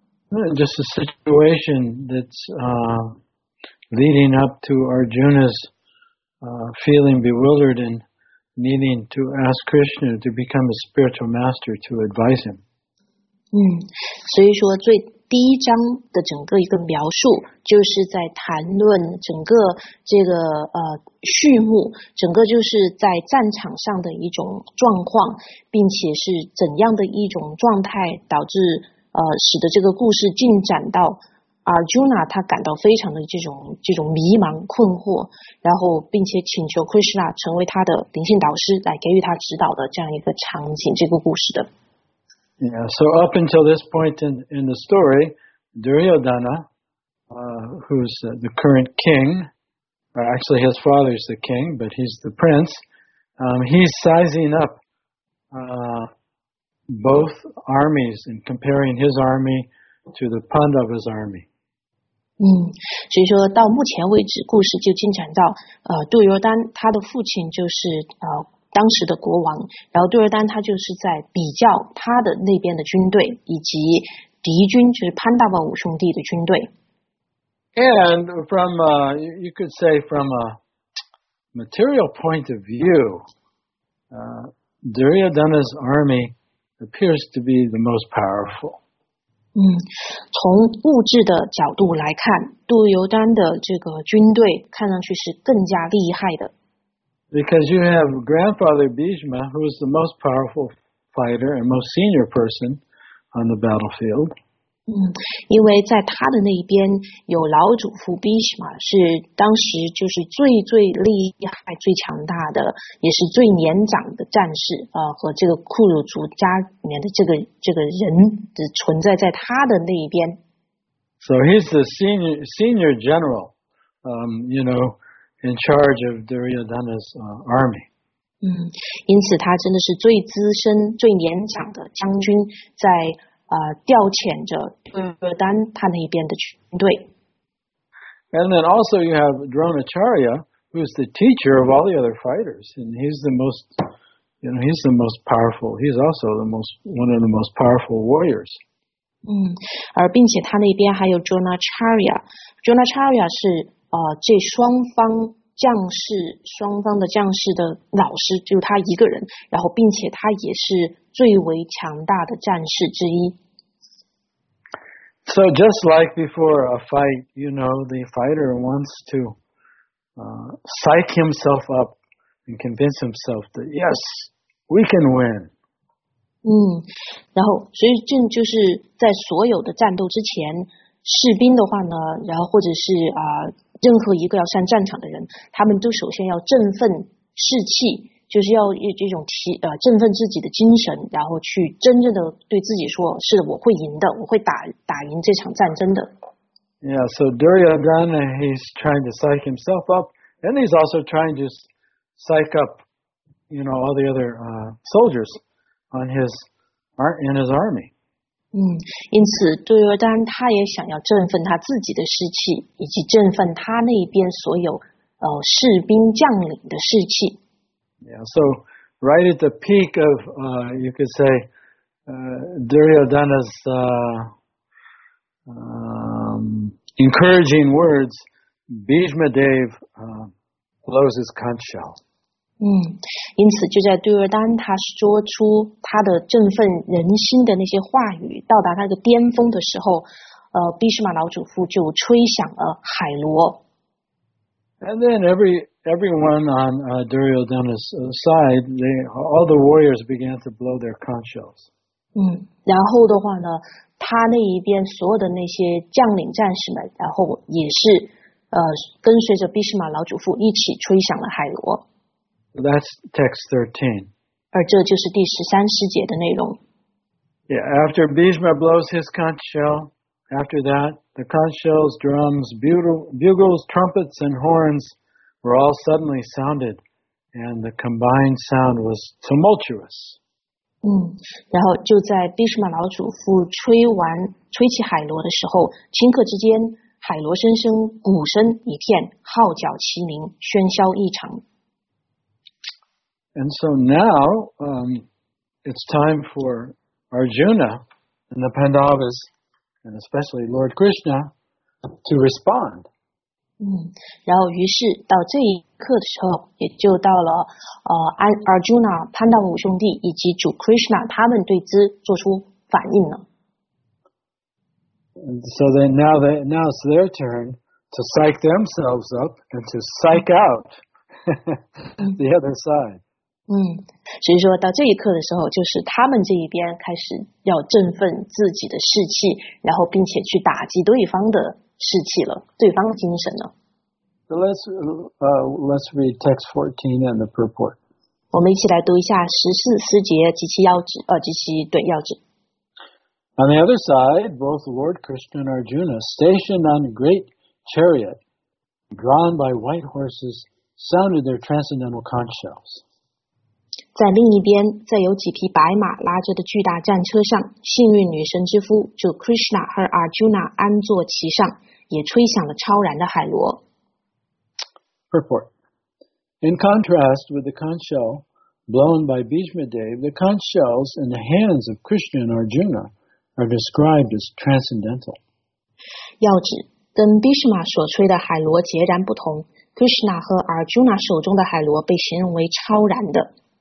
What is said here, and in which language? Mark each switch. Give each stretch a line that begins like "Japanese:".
English: the situation that's leading up to Arjuna's feeling bewildered and needing to ask Krishna to become a spiritual master to advise him.
Chinese: 所以说最第一章的整个一个描述就是在谈论整个这个序幕，整个就是在战场上的一种状况，并且是怎样的一种状态导致使得这个故事进展到Arjuna 他感到非常的这种迷茫困惑，然后并且请求 Krishna 成为他的灵性导师来给予他指导的这样一个场景，这个故事的。
English: Yeah, so up until this point in the story, Duryodhana, who's the current king, or actually his father's the king, but he's the prince, he's sizing up both armies and comparing his army to the Pandavas' army.
Chinese: 所以说到目前为止，故事就进展到杜尤丹他的父亲就是当时的国王，然后杜尔丹他就是在比较他的那边的军队以及敌军，就是潘大宝五兄弟的军队。
English: And from you could say from a material point of view, Duryodhana's army appears to be the most powerful.
Chinese: 从物质的角度来看，杜尤丹的这个军队看上去是更加厉害的。
English: Because you have grandfather Bhishma, who is the most powerful fighter and most senior person on the battlefield.
Chinese: 因为在他的那边有老祖父 Bhishma, 是当时就是最最厉害、最强大的，也是最年长的战士和这个库鲁族家里面的这个人的存在在他的那一边。
English: So he's the senior general, you know. In charge of Duryodhana's army.
Chinese: 因此他真的是最资深、最年长的将军，在调遣着杜尤丹他那边的军队。
English: And then also you have Dronacharya, who's the teacher of all the other fighters, and he's the most, you know, he's the most powerful. He's also the most one of the most powerful warriors.
Chinese: 而并且他那边还有 Dronacharya. Dronacharya 是这双方的将士的老师，就他一个人，然后并且他也是最为强大的战士之一。
English: So just like before a fight, you know, the fighter wants to psych himself up and convince himself that yes, we can win.
Chinese: 然后所以这就是在所有的战斗之前，士兵的话呢，然后或者是任何一个要上战场的人，他们都首先要振奋士气，就是要以这种振奋自己的精神，然后去真正的对自己说，是我会赢的，我会打赢这场战争的。
English: Yeah, so Duryodhana, he's trying to psych himself up, and he's also trying to psych up, you know, all the other soldiers in his army.
Chinese: 因此杜尤丹他也想要振奋他自己的士气，以及振奋他那边所有士兵将领的士气。
English: Yeah, so right at the peak of you could say Duryodhana's encouraging words, Bhishma Dev blows his conch shell.
Chinese: 因此就在杜尤丹他说出他的振奋人心的那些话语到达那个巅峰的时候，毕士马老祖父就吹响了海螺。
English: And then everyone on Duryodhana's side, all the warriors began to blow their conch shells.
Chinese: 然后的话呢，他那一边所有的那些将领战士们，然后也是跟随着毕士马老祖父一起吹响了海螺。
English: That's text 13.
Chinese: 而这就是第十三诗节的内容。
English: Yeah, after Bhishma blows his conch shell, after that, the conch shells, drums, bugles, trumpets, and horns were all suddenly sounded, and the combined sound was tumultuous.
Chinese: 然后就在 Bhishma 老祖父吹起海螺的时候，顷刻之间，海螺声声，鼓声一片，号角齐鸣，喧嚣异常。
English: And so now, it's time for Arjuna and the Pandavas, and especially Lord Krishna, to respond.
Chinese: 然后于是到这一刻的时候，也就到了Arjuna 潘道五兄弟以及主 Krishna 他们对此做出反应了。
English: And so then now it's their turn to psych themselves up and to psych out the other side.
Chinese: 所以说到这一刻的时候，就是他们这一边开始要振奋自己的士气，然后并且去打击对方的士气了，对方的精神了。
English: So let's read text 14 and the purport.
Chinese: 我们一起来读一下14节及其要旨，及其对要旨。
English: On the other side, both Lord Krishna and Arjuna stationed on a great chariot drawn by white horses sounded their transcendental conch shells.
Chinese: 在另一边，在有几匹白马拉着的巨大战车上，幸运女神之夫就 Krishna 和 Arjuna 安坐其上，也吹响了超然的海螺。
English: Purport. In contrast with the conch shell blown by Bhishma Dev, the conch shells in the hands of Krishna and Arjuna are described as transcendental.
Chinese: 要旨，跟 Bhishma 所吹的海螺截然不同， Krishna 和 Arjuna 手中的海螺被形容为超然的。